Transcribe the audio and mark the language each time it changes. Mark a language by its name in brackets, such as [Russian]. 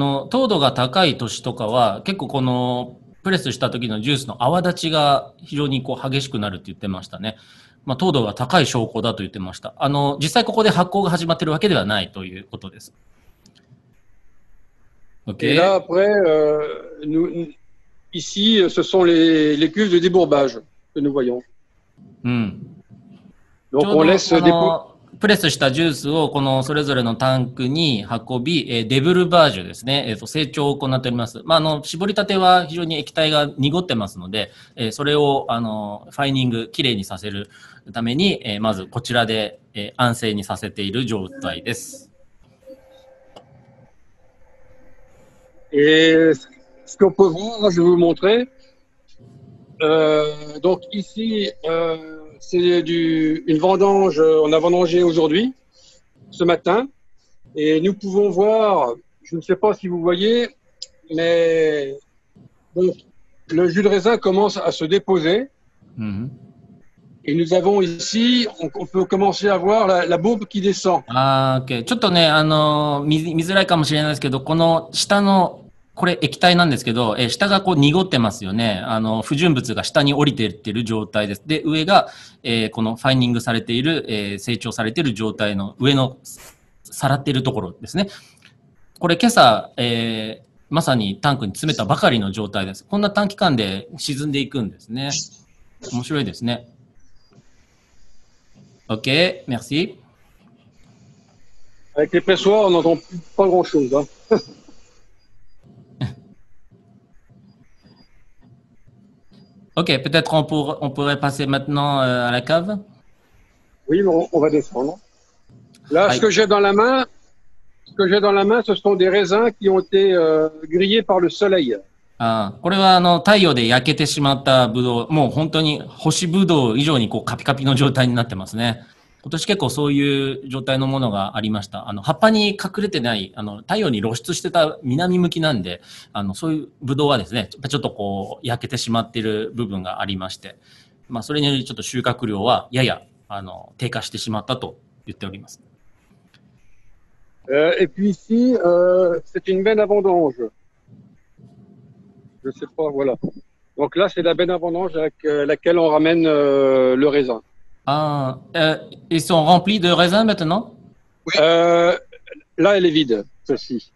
[Japanese] 糖度が高い年とかは結構このプレスした時のジュースの泡立ちが非常にこう激しくなるって言ってましたね。まあ、糖度が高い証拠だと言ってました。実際ここで発酵が始まってるわけではないということです。 [French] OK。 Et là, après, nousIci, ce sont les cuves de débourbage que nous voyons. Donc, on laisse des bouts. [Japanese] Presse したジュースをこのそれぞれのタンクに運び、デブルバージュですね、成長を行っております。まあ、搾りたては非常に液体が濁ってますので、それをファイニング、きれいにさせるために、まずこちらで、安静にさせている状態です。 [French] Ce qu'on peut voir, je vais vous montrer. Donc ici, c'est une vendange. On a vendangé aujourd'hui, ce matin. Et nous pouvons voir, je ne sais pas si vous voyez, mais donc, le jus de raisin commence à se déposer. Mm-hmm. Et nous avons ici, on peut commencer à voir la bombe qui descend. Ah, ok. [Japanese] ちょっとね、見づらいかもしれないですけど、この下の、これ液体なんですけど、下がこう濁ってますよね。不純物が下に降りていってる状態です。で、上が、このファイニングされている、成長されている状態の上のさらっているところですね。これ今朝、まさにタンクに詰めたばかりの状態です。こんな短期間で沈んでいくんですね。面白いですね。 [French] OK, merci. Avec les pressoirs, on n'entend pas grand chose. Hein. OK, peut-être on pourrait passer maintenant à la cave. Oui, on va descendre. Là, ce que j'ai dans la main, ce sont des raisins qui ont été grillés par le soleil. [Japanese] ああこれは太陽で焼けてしまったブドウ、もう本当に星ブドウ以上にこうカピカピの状態になってますね。今年結構そういう状態のものがありました。葉っぱに隠れてない、太陽に露出してた南向きなんで、そういうブドウはですね、ちょっとこう焼けてしまっている部分がありまして、まあそれによりちょっと収穫量はやや低下してしまったと言っております。 [French] Et puis ici, c'est une belle abondance. Je sais pas, voilà. Donc là, c'est la benne à vendange avec laquelle on ramène le raisin. Ah, ils sont remplis de raisins maintenant ? Oui. Là, elle est vide, celle-ci.